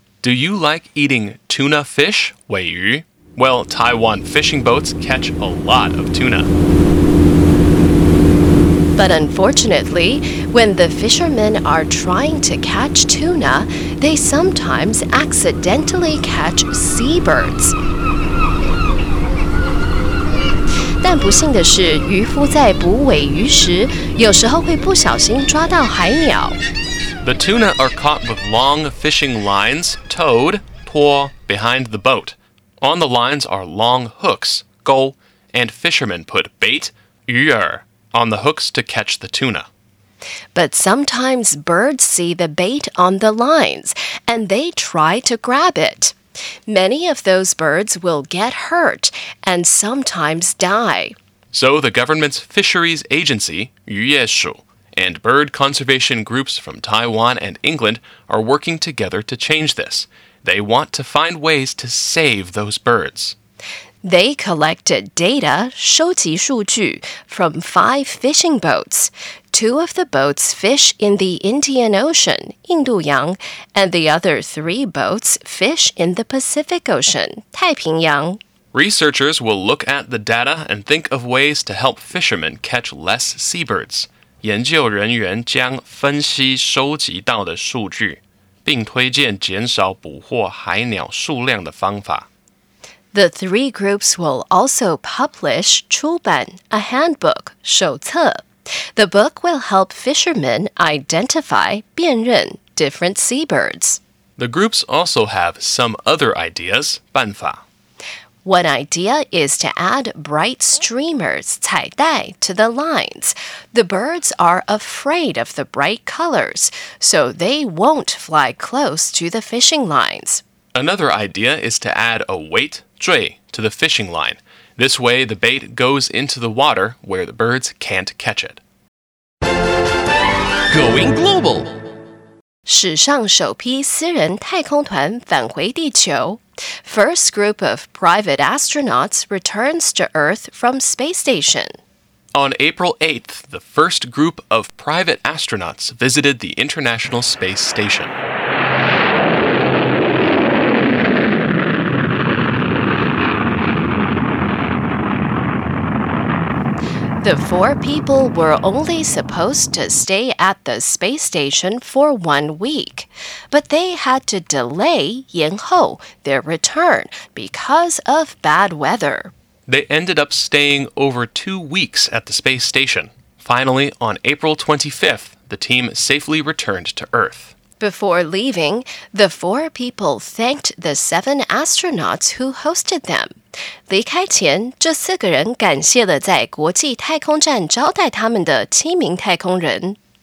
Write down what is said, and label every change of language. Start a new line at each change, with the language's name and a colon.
English: Do you like eating tuna fish, 鲔鱼 ？Well, Taiwan fishing boats catch a lot of tuna. But unfortunately, when the fishermen are trying to catch tuna, they sometimes accidentally catch seabirds.
Chinese: 但不幸的是，渔夫在捕鲔鱼时，有时候会不小心抓到海鸟。
English: The tuna are caught with long fishing lines, towed, pull behind the boat. On the lines are long hooks, 钩, and fishermen put bait, 鱼饵, on the hooks to catch the tuna. But sometimes birds see the bait on the lines, and they try to grab it. Many of those birds will get hurt and sometimes die. So the government's fisheries agency, 渔业署, and bird conservation groups from Taiwan and England are working together to change this. They want to find ways to save those birds. They collected data,
Chinese: 收集数据,
English: from 5 fishing boats. 2 of the boats fish in the Indian Ocean, 印度洋, and the other 3 boats fish in the Pacific Ocean, 太平洋. Researchers will look at the data and think of ways to help fishermen catch less seabirds.
Chinese: 研究人员将分析收集到的数据,并推荐减少捕获海鸟数量的方法。
English: The three groups will also publish 出版, a handbook, 手册. The book will help fishermen identify 辨认, different seabirds. The groups also have some other ideas, 办法. One idea is to add bright streamers, 彩带, to the lines. The birds are afraid of the bright colors, so they won't fly close to the fishing lines. Another idea is to add a weight,坠, to the fishing line. This way, the bait goes into the water where the birds can't catch it. Going global!
Chinese: 史上首批私人太空团返回地球。
English: First group of private astronauts returns to Earth from space station. On April 8th, the first group of private astronauts visited the International Space Station. The 4 people were only supposed to stay at the space station for 1 week, but they had to delay 延后, their return because of bad weather. They ended up staying over 2 weeks at the space station. Finally, on April 25th, the team safely returned to Earth. Before leaving, the 4 people thanked the 7 astronauts who hosted them.
Chinese: 离开前，这四个人感谢了在国际太空站招待他们的七名太空人。